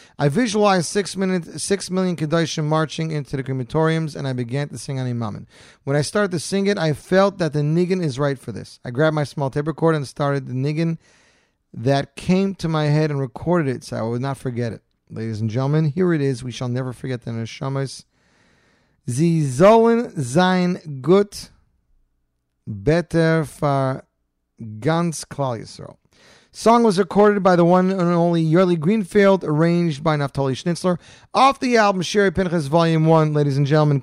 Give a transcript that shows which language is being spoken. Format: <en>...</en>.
<en>I visualized 6 million Kedoshim marching into the crematoriums, and I began to sing Ani Mamin. When I started to sing it, I felt that the Nigun is right for this. I grabbed my small tape recorder and started the Nigun that came to my head and recorded it so I would not forget it. Ladies and gentlemen, here it is. We shall never forget the Neshamas.</en> <yi>Sie sollen sein gut, better für ganz Klal Yisrael.</yi> <en>Song was recorded by the one and only Yerli Greenfield, arranged by Naftali Schnitzler, off the album Shirei Pinchas Volume 1, ladies and gentlemen.</en>